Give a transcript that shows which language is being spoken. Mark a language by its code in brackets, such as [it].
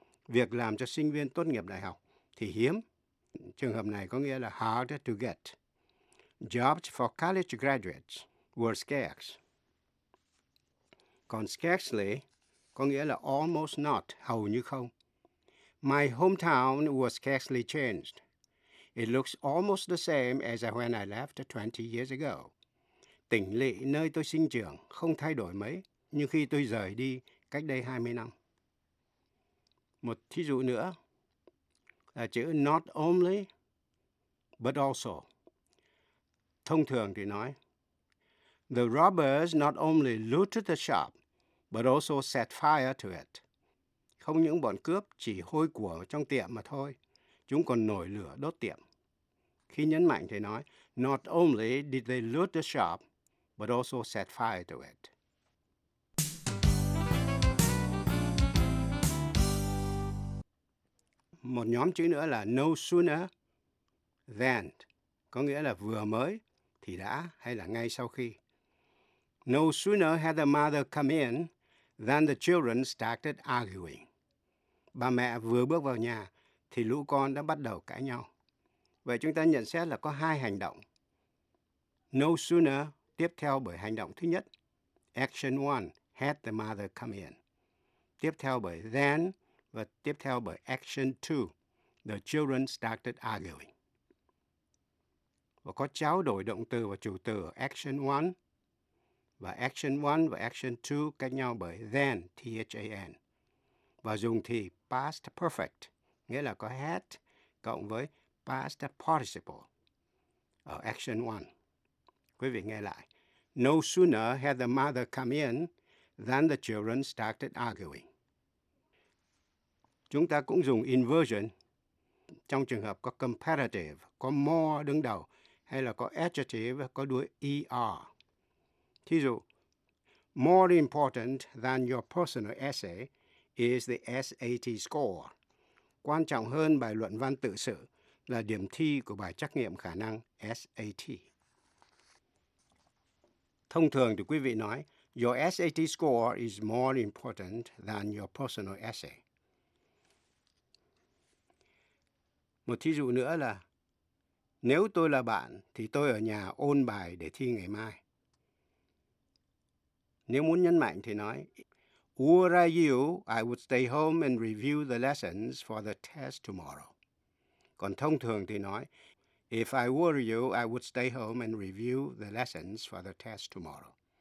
[vi] Việc làm cho sinh viên tốt nghiệp đại học thì hiếm. Trường hợp này có nghĩa là [en] harder to get. Jobs for college graduates were scarce. Còn scarcely có nghĩa là almost not, [vi] hầu như không. [en] My hometown was scarcely changed. It looks almost the same as when I left 20 years ago. [vi] Tỉnh lỵ nơi tôi sinh trưởng không thay đổi mấy như khi tôi rời đi cách đây 20 năm. Một thí dụ nữa là chữ [en] not only, but also. [vi] Thông thường thì nói, [en] the robbers not only looted the shop, but also set fire to it. [vi] Không những bọn cướp chỉ hôi của trong tiệm mà thôi, chúng còn nổi lửa đốt tiệm. Khi nhấn mạnh thì nói, [en] not only did they loot the shop, but also set fire to it. [vi] Một nhóm chữ nữa là [en] no sooner than, [vi] có nghĩa là vừa mới thì đã hay là ngay sau khi. [en] No sooner had the mother come in than the children started arguing. [vi] Bà mẹ vừa bước vào nhà thì lũ con đã bắt đầu cãi nhau. Vậy chúng ta nhận xét là có hai hành động. [en] No sooner [vi] tiếp theo bởi hành động thứ nhất. [en] Action one, had the mother come in. [vi] Tiếp theo bởi then và tiếp theo bởi [en] action two, the children started arguing. [vi] Và có trao đổi động từ và chủ từ ở action one. Và action 1 và action 2 cách nhau bởi then, than. Và dùng thì past perfect, nghĩa là có had cộng với past participle ở action 1. Quý vị nghe lại. [en] No sooner had the mother come in than the children started arguing. [vi] Chúng ta cũng dùng inversion trong trường hợp có comparative, có more đứng đầu, hay là có adjective có đuôi er. Thí dụ, [en] more important than your personal essay is the SAT score. [vi] Quan trọng hơn bài luận văn tự sự là điểm thi của bài trắc nghiệm khả năng SAT. Thông thường thì quý vị nói, [en] your SAT score is more important than your personal essay. [vi] Một thí dụ nữa là, nếu tôi là bạn thì tôi ở nhà ôn bài để thi ngày mai. Nếu muốn nhấn mạnh thì nói, [en] were I you, I would stay home and review the lessons for the test tomorrow. [vi] Còn thông thường thì nói, [en] if I were you, I would stay home and review the lessons for the test tomorrow.